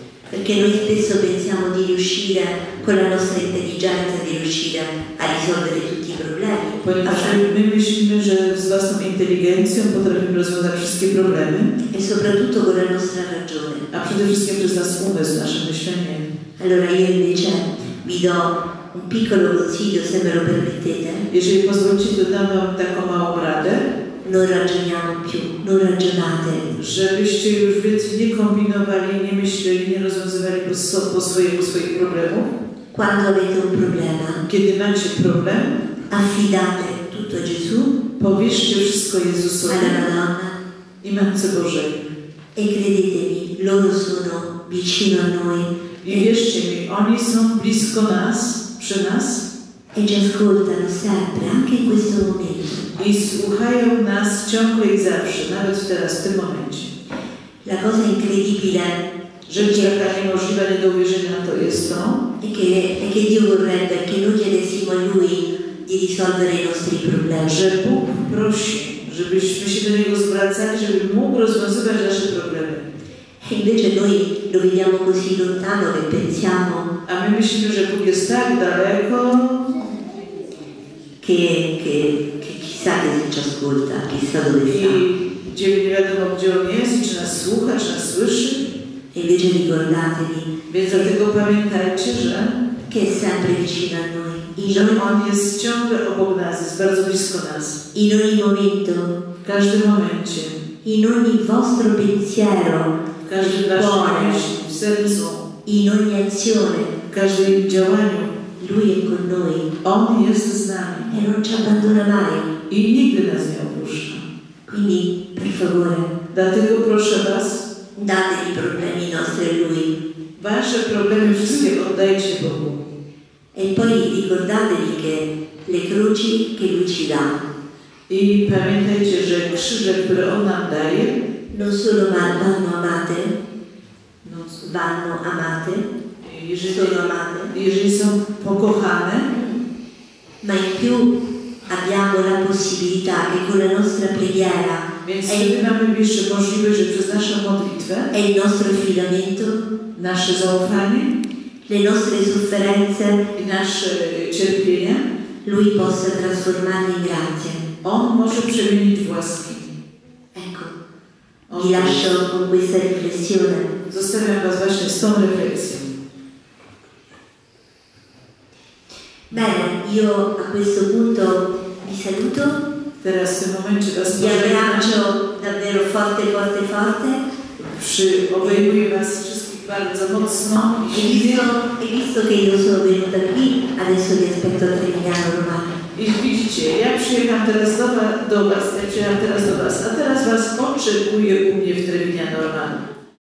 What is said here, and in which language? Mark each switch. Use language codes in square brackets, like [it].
[it] Perché noi spesso pensiamo di riuscire con la nostra intelligenza di riuscire a risolvere tutti i problemi. [pl] Ponieważ my myślimy, że z własną inteligencją potrafimy rozwiązać wszystkie problemy. [it] E soprattutto con la nostra ragione. [pl] A przede wszystkim przez nasz umysł, nasze myślenie. [it] Allora io invece vi do un piccolo consiglio, se me lo permettete. [pl] Jeżeli pozwolicie, to dam wam taką małą radę. [it] Non ragioniamo più, non ragionate. [pl] Żebyście już więcej nie kombinowali, nie myśleli, nie rozwiązywali po swojemu swoich problemów. [it] Quando avete un problema. [pl] Kiedy macie problem. [it] Affidate tutto a Gesù. [pl] Powierzcie wszystko Jezusowi. [it] Alla Madonna. [pl] I Matce Bożej. [it] E credetemi, loro sono vicino a noi. [pl] I wierzcie mi, oni są blisko nas, przy nas. [it] E ci ascoltano sempre, anche in questo momento. [pl] I słuchają nas ciągle i zawsze, nawet teraz, w tym momencie. [it] La cosa incredibile, [pl] rzecz taka niemożliwa, nie do uwierzenia, to jest to. [it] E che Dio vorrebbe che noi chiedessimo a Lui di risolvere i nostri problemi. [pl] Że Bóg prosi, żebyśmy się do Niego zwracali, żeby mógł rozwiązywać nasze problemy. [it] E invece noi lo vediamo così lontano che pensiamo. [pl] A my myślimy, że Bóg jest tak daleko. [it] Che chissà che ci ascolta, chissà dove sta. [pl] Gdzie nie wiadomo, gdzie on jest, czy nas słucha, czy nas słyszy. [it] E invece ricordatevi. [pl] Więc dlatego pamiętajcie, że. [it] Che è sempre vicino a noi. [pl] On jest ciągle obok nas, jest bardzo blisko nas. [it] In ogni momento. [pl] W każdym momencie. [it] In ogni vostro pensiero. [pl] W każdym [it] cuore, [pl] w sercu, [it] in ogni azione, [pl] w każdym działaniu, [it] Lui è con noi. [pl] On jest z nami. [it] E non ci abbandona mai. [pl] I nigdy nas nie opuszcza. [it] Quindi, per favore, [pl] dlatego proszę was, [it] date i problemi nostri a Lui. [pl] Wasze problemy wszystkie oddajcie Bogu. [it] E poi ricordatevi che le croci che Lui ci dà. [pl] I pamiętajcie, że krzyże, które On nam daje, [it] non solo ma, vanno amate, vanno amate, [pl] jeżeli, [it] sono amate, [pl] jeżeli są pokochane, [it] ma in più abbiamo la possibilità che con la nostra preghiera, [pl] więc mamy jeszcze możliwość, że przez naszą modlitwę, [it] è il nostro affidamento, [pl] nasze zaufanie, [it] le nostre sofferenze, [pl] i nasze cierpienia, [it] Lui possa trasformarli in grazie, [pl] On może przemienić w łaski. [it] Vi lascio con questa riflessione. [pl] Zostawiam was właśnie z tą refleksją. [it] Bene, io a questo punto vi saluto. [pl] Teraz w tym momencie was [it] vi abbraccio davvero forte, forte, forte. [pl] Obejmuję was wszystkich bardzo mocno. [it] E visto che io sono venuta qui, adesso vi aspetto a Trevignano Romano. [pl] I widzicie, ja przyjechałam teraz do was, ja przyjechałam teraz do was, a teraz was oczekuję u mnie w Trevignano Romano.